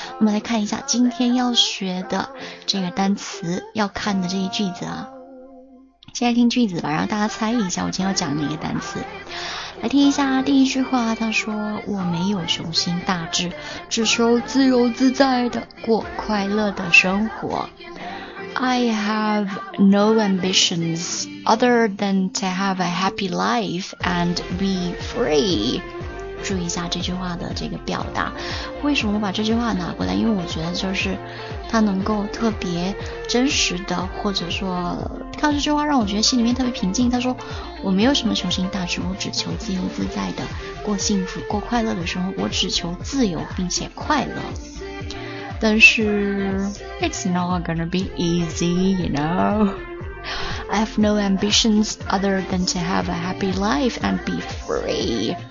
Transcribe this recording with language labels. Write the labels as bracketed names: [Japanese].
[Chinese] 我们来看一下今天要学的这个单词，要看的这些句子啊，先来听句子吧，然后大家猜一下我今天要讲哪个单词。来听一下第一句话，他说我没有雄心大志，只求自由自在的过快乐的生活。 [English] I have no ambitions other than to have a happy life and be free。 [Chinese] 注意一下这句话的这个表达，为什么我把这句话拿过来，因为我觉得就是它能够特别真实的，或者说看到这句话让我觉得心里面特别平静。他说我没有什么雄心大志，我只求自由自在的过幸福过快乐的生活，我只求自由并且快乐。 [English] 但是 It's not gonna be easy, you know, I have no ambitions other than to have a happy life and be free。